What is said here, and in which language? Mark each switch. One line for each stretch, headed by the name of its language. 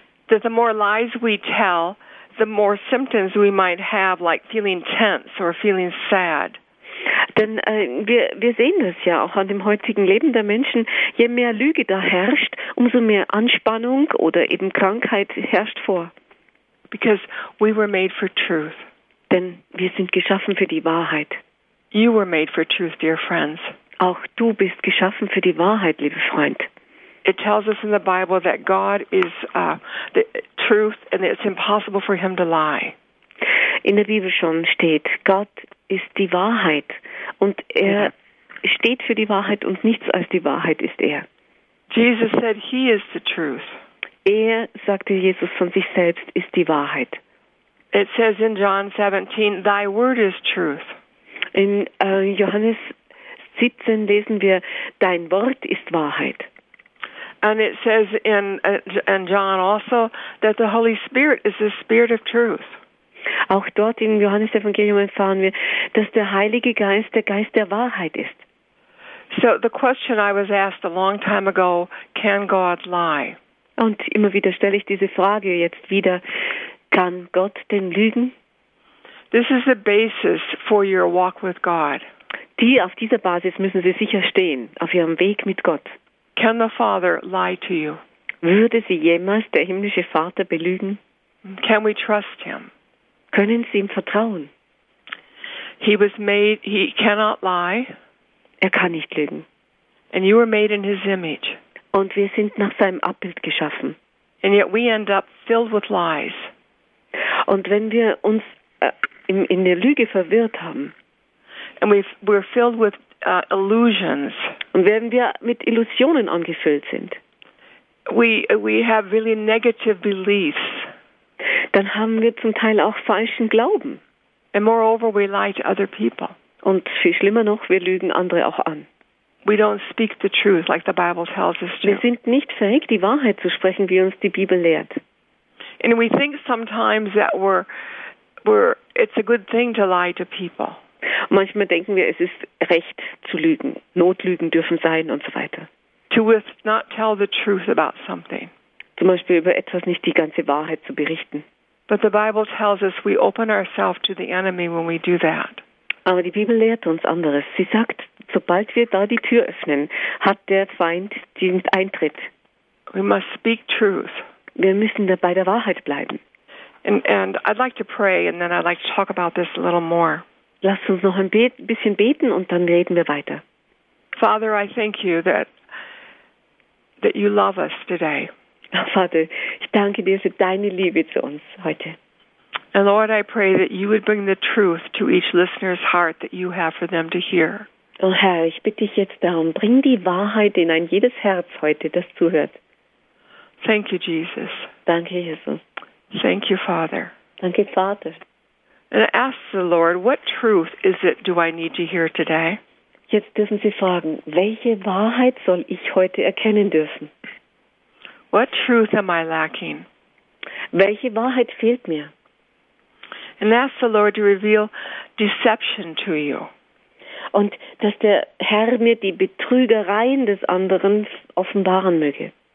English: That the more lies we tell, the more symptoms we might have, like feeling tense or feeling sad.
German: Denn wir sehen das ja auch an dem heutigen Leben der Menschen. Je mehr Lüge da herrscht, umso mehr Anspannung oder eben Krankheit herrscht vor.
English: Because we were made for truth.
German: Denn wir sind geschaffen für die Wahrheit.
English: You were made for truth, dear friends.
German: Auch du bist geschaffen für die Wahrheit, liebe Freund.
English: It tells us in the Bible that God is the truth and it's impossible for him to lie.
German: In der Bibel schon steht, Gott ist die Wahrheit und er steht für die Wahrheit und nichts als die Wahrheit ist er.
English: Jesus said he is the truth.
German: Er, sagte Jesus von sich selbst, ist die Wahrheit.
English: It says in John 17, thy word is truth.
German: In Johannes 17 lesen wir, dein Wort ist Wahrheit.
English: And it says in John also that the Holy Spirit is the Spirit of truth.
German: Auch dort im Johannesevangelium erfahren wir, dass der Heilige Geist der Geist der Wahrheit ist.
English: So the question I was asked a long time ago, can God lie?
German: Und immer wieder stelle ich diese Frage jetzt wieder, kann Gott denn lügen?
English: This is the basis for your walk with God.
German: Auf dieser Basis müssen Sie sicher stehen, auf Ihrem Weg mit Gott.
English: Can the Father lie to you?
German: Würde Sie jemals der himmlische Vater belügen?
English: Can we trust him?
German: Können Sie ihm vertrauen?
English: He cannot lie.
German: Er kann nicht lügen.
English: And you were made in his image.
German: Und wir sind nach seinem Abbild geschaffen.
English: And yet we end up filled with lies.
German: Und wenn wir uns in der Lüge verwirrt haben,
English: and we're filled with illusions.
German: Und wenn wir mit Illusionen angefüllt sind,
English: we have really negative beliefs.
German: Dann haben wir zum Teil auch falschen Glauben.
English: And moreover, we lie to other people.
German: Und viel schlimmer noch, wir lügen andere auch an.
English: We don't speak the truth like the Bible tells us to.
German: Wir sind nicht fähig, die Wahrheit zu sprechen, wie uns die Bibel lehrt.
English: And we think sometimes that we're it's a good thing to lie to people.
German: Manchmal denken wir, es ist recht zu lügen. Notlügen dürfen sein und so weiter.
English: To not tell the truth about something.
German: Zum Beispiel über etwas nicht die ganze Wahrheit zu berichten.
English: But the Bible tells us we open ourselves to the enemy when we do that.
German: Aber die Bibel lehrt uns anderes. Sie sagt, sobald wir da die Tür öffnen, hat der Feind den Eintritt.
English: We must speak truth.
German: Wir müssen bei der Wahrheit bleiben.
English: And I'd like to pray and then I'd like to talk about this a little more.
German: Lass uns noch ein bisschen beten und dann reden wir weiter.
English: Father, I thank you that you love us today.
German: Vater, ich danke dir für deine Liebe zu uns heute.
English: And Lord, I pray that you would bring the truth to each listener's heart that you have for them to hear.
German: Oh Herr, ich bitte dich jetzt darum, bring die Wahrheit in ein jedes Herz heute, das zuhört.
English: Thank you, Jesus.
German: Danke, Jesus.
English: Thank you, Father.
German: Danke, Vater.
English: And ask the Lord, what truth is it do I need to hear today?
German: Jetzt dürfen Sie fragen, welche Wahrheit soll ich heute erkennen dürfen?
English: What truth am I lacking?
German: Welche Wahrheit fehlt mir?
English: And ask the Lord to reveal deception to you.
German: Und dass der Herr mir die Betrügereien des anderen offenbaren möge.